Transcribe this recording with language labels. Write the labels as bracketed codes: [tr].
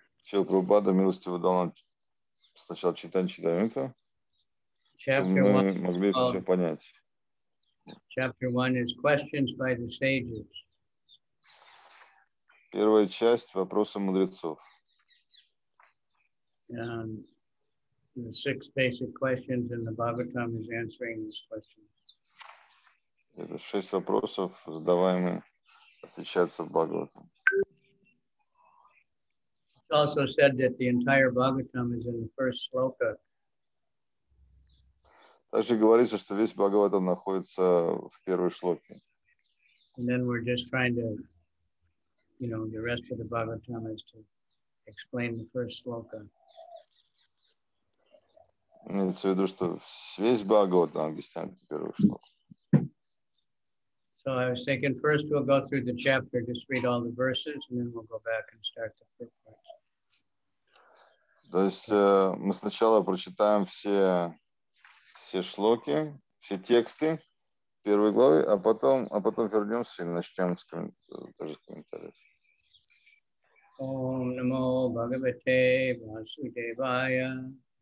[ru] Шрила Прабхупада милостиво дал нам сначала читать Чайтанью, чтобы мы могли все понять. [en] Chapter 1 is questions by the sages. [ru] Первая часть — вопросы мудрецов. [en] The six basic questions in the Bhagavatam is answering these questions. [ru] Это шесть вопросов, задаваемые, отвечаются в Бхагаватам. [en] It's also said that the entire Bhagavatam is in the first shloka. [ru] Также говорится, что весь Бхагаватам находится в первой шлоке. [en] And then we're just trying to, you know, the rest of the Bhagavatam is to explain the first shloka. [ru] Имеется в виду, что весь Бхагаватам объясняет первую шлоку. [en] So I was thinking first we'll go through the chapter, just read all the verses, and then we'll go back and start the fifth part. [ru] То есть мы сначала прочитаем все шлоки, все тексты первой главы, а потом вернемся и начнем с комментариев. [sa] Ом намо Бхагавате Васудевая.